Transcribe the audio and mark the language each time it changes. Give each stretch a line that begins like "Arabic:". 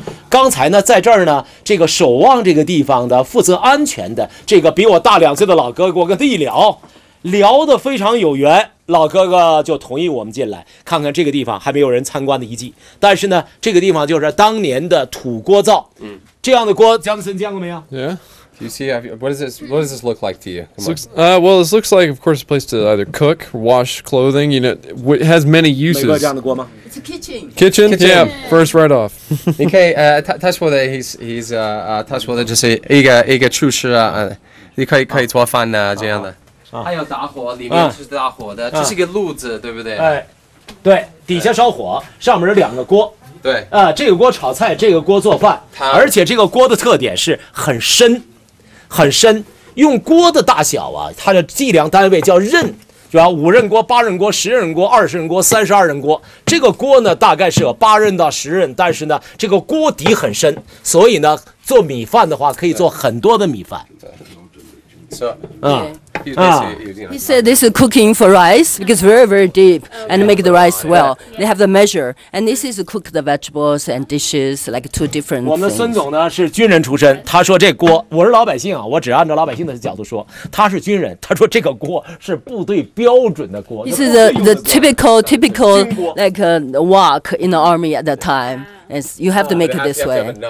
Chinese: 刚才呢，在这儿呢，这个守望这个地方的负责安全的这个比我大两岁的老哥哥，我跟他一聊，聊得非常有缘，老哥哥就同意我们进来看看这个地方还没有人参观的遗迹。但是呢，这个地方就是当年的土锅灶，这样的锅，江森见过没有？
English: You see, what does this look like to you? Well, this looks like, of course, a place to either cook, wash clothing, you know, it has many uses. It's a kitchen. Kitchen? Yeah, first right off. Okay, that's what he's, that's what they just say,
Chinese: 一个厨师啊，你可以可以做饭啊，这样的。还有打火，里面是打火的，这是一个炉子，对不对？对，底下烧火，上面有两个锅。对啊，这个锅炒菜，这个锅做饭，而且这个锅的特点是很深，很深。用锅的大小啊，它的计量单位叫刃，是吧？五刃锅、八刃锅、十刃锅、二十刃锅、三十二刃锅。这个锅呢，大概是有八刃到十刃，但是呢，这个锅底很深，所以呢，做米饭的话可以做很多的米饭。
English: He said this is cooking for rice because very very deep and make the rice well. They have the measure and this is cook the vegetables and dishes like two different.
Chinese: 我们的孙总呢是军人出身，他说这锅，我是老百姓啊，我只按照老百姓的角度说，他是军人，他说这个锅是部队标准的锅。
English: This is the typical like a wok in the army at that time. Yes, you have to make it this way.